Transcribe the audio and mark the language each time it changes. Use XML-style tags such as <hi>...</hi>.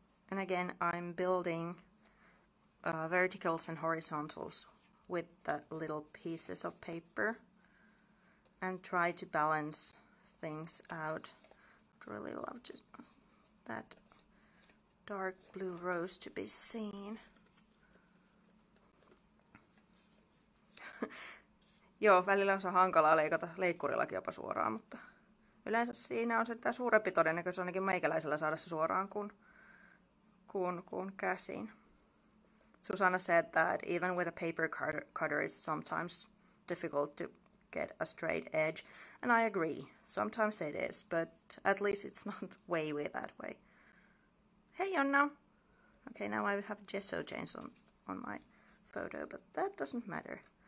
<en>And again, I'm building verticals and horizontals with the little pieces of paper and try to balance things out. I'd really love to that dark blue rose to be seen.</en> <fi>Joo, välillä on se hankalaa leikata leikkurillakin jopa suoraan, mutta yleensä siinä on sitä suurempi todennäköisyys ainakin meikäläisellä saada se suoraan kuin käsin.</fi> <en>Susanna said that even with a paper cutter it's sometimes difficult to get a straight edge. And I agree, sometimes it is, but at least it's not way, way that way. Hey, Anna! Okay, now I have gesso chains on my photo, but that doesn't matter.</en>